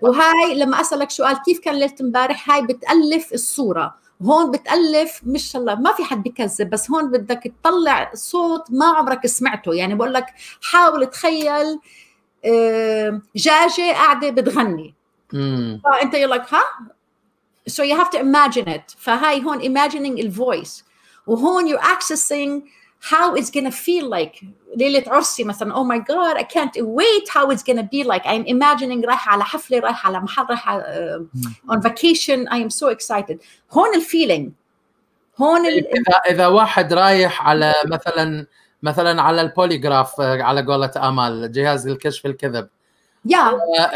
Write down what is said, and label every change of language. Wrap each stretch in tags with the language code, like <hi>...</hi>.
<ar>وهاي لما أسألك سؤال كيف كان ليلة مبارح، هاي بتألف الصورة. هون بتألف مش الله ما في حد بكذب، بس هون بدك تطلع صوت ما عمرك سمعته. يعني بقول لك حاول تخيل جاجة قاعدة بتغني. فأنت يقول لك ها؟</ar> <en>So you have to imagine it.</en> <ar>فهاي هون</ar> <en>imagining the voice.</en> <ar>وهون</ar> <en>you're accessing how it's going to feel like.</en> <ar>ليلة عرسي مثلا.</ar> <en>Oh my God, I can't wait how it's going to be like. I'm imagining</en> <ar>رايح على حفلة، رايح على محل، رايح</ar> <en>on vacation. I am so excited.</en> <ar>هون ال</ar> <en>feeling.</en> <ar>هون ال... إذا واحد رايح على مثلا على البوليغراف، على قولة أمل جهاز الكشف الكذب.</ar> <en>Yeah.</en>